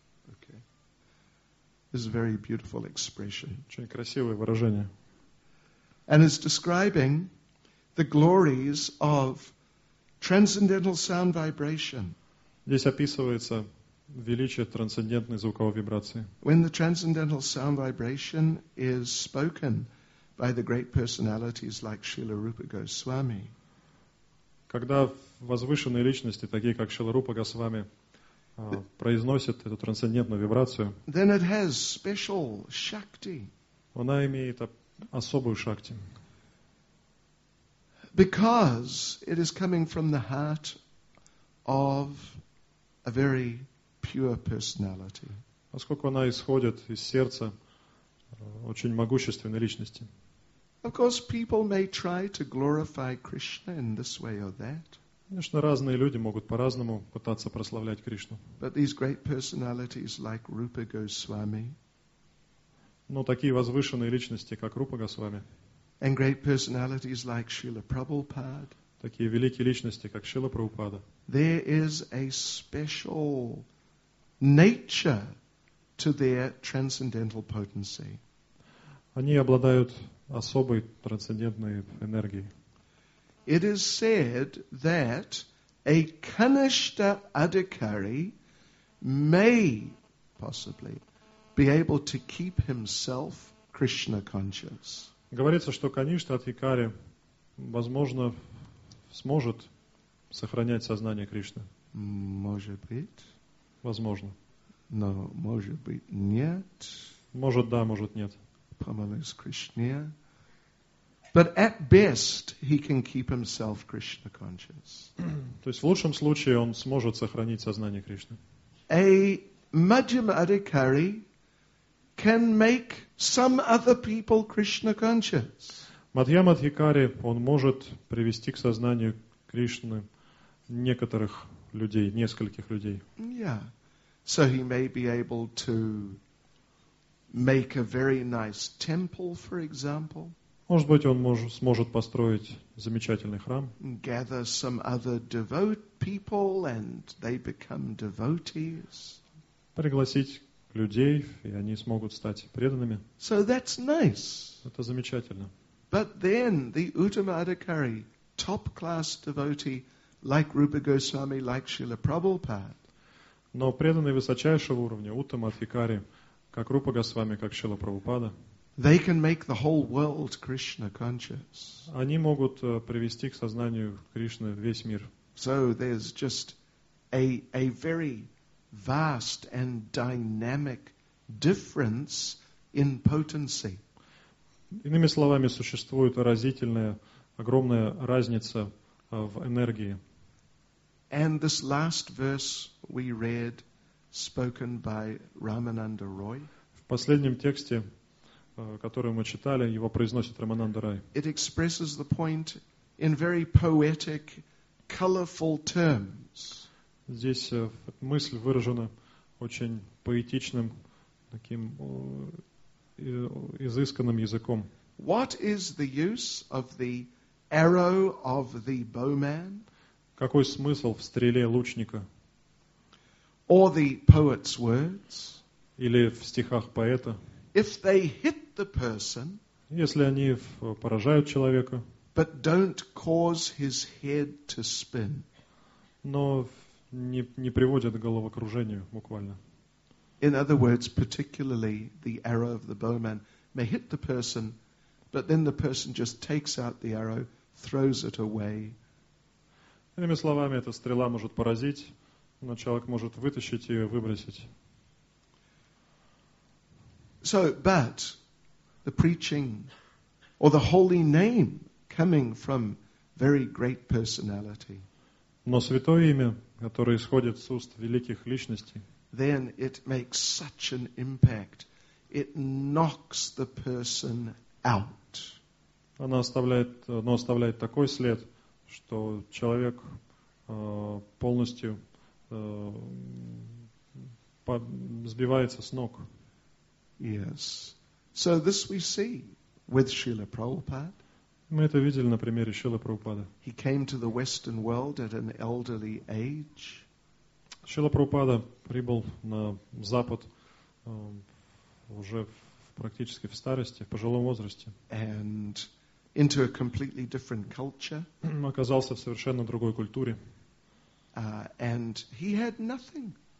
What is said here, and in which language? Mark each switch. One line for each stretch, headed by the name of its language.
English: Okay. This is a very beautiful expression.
Russian: Очень красивое выражение.
English: And is describing the glories of transcendental sound vibration.
Russian: Здесь описывается величие трансцендентной звуковой вибрации.
English: When the transcendental sound vibration is spoken by the great personalities like Srila Rupa Goswami.
Russian: Когда возвышенные личности, такие как Шрила Рупа Госвами, произносят эту трансцендентную вибрацию,
English: then it has special shakti.
Russian: Она имеет особую шакти.
English: Because it is coming from the heart of a very pure personality.
Russian: Поскольку она исходит из сердца очень могущественной личности.
English: Of course, people may try to glorify Krishna in this way or that.
Russian: Конечно, разные люди могут по-разному пытаться прославлять Кришну.
English: But these great personalities like Rupa Goswami.
Russian: Но такие возвышенные личности, как Рупа Госвами.
English: And great personalities like Srila Prabhupada.
Russian: Такие великие личности, как Шрила Прабхупада.
English: There is a special nature to their transcendental potency.
Russian: Они обладают особой трансцендентной энергией.
English: It is said that a Kanishta Adhikari may possibly be able to keep himself Krishna conscious.
Russian: Говорится, что Kanishta Adhikari возможно сможет сохранять сознание Кришны. Может быть. Возможно. Но может быть нет. Может да, может нет. Помолись Кришне.
English: But at best he can keep himself Krishna conscious.
Russian: То есть в лучшем случае он сможет сохранить сознание Кришны.
English: A Madhyama Adhikari can make some other people Krishna conscious.
Russian: Мадхьяма Адхикари, он может привести к сознанию Кришны некоторых людей, нескольких людей.
English: Yeah. So he may be able to make a very nice temple, for example.
Russian: Может быть, он сможет построить замечательный храм.
English: Gather some other devout people and they become devotees.
Russian: Пригласить людей, и они смогут стать преданными.
English: So that's nice.
Russian: Это замечательно.
English: But then the Uttama Adhikari, top class devotee, like Rupa Goswami, like Srila Prabhupada.
Russian: Но преданные высочайшего уровня, Uttama Adhikari, как Рупа Госвами, как Шрила Прабхупада,
English: they can make the whole world Krishna conscious.
Russian: Они могут привести к сознанию Кришны весь мир.
English: So there's just a very vast and dynamic difference in potency.
Russian: Иными словами, существует разительная, огромная разница в энергии.
English: And this last verse we read, spoken by Ramananda Roy.
Russian: В последнем тексте, который мы читали, его произносит Рамананда Рай.
English: It expresses the point in very poetic, colorful terms.
Russian: Здесь мысль выражена очень поэтичным, таким изысканным языком.
English: What is the use of the arrow of the bowman?
Russian: Какой смысл в стреле лучника?
English: Or the poet's words?
Russian: Или в стихах поэта?
English: If they hit the person,
Russian: если они поражают человека,
English: but don't cause his head to spin.
Russian: Но не приводят к головокружению буквально.
English: In other words, particularly the arrow of the bowman may hit the person, but then the person just takes out the arrow, throws it away.
Russian: Иными словами, эта стрела может поразить, но человек может вытащить ее и выбросить.
English: So, but the preaching or the holy name coming from very great personality.
Russian: Но святое имя, которое исходит с уст великих личностей.
English: Then it makes such an impact. It knocks the person out.
Russian: Оно оставляет такой след, что человек полностью сбивается с ног.
English: Yes. So this we see with Srila Prabhupada.
Russian: Мы это видели на примере Шрилы Прабхупады.
English: He came to the Western world at an elderly age.
Russian: Шрила Прабхупада прибыл на Запад уже практически в старости, в пожилом возрасте.
English: And into a completely different culture.
Russian: Оказался в совершенно другой культуре.
English: And he had nothing.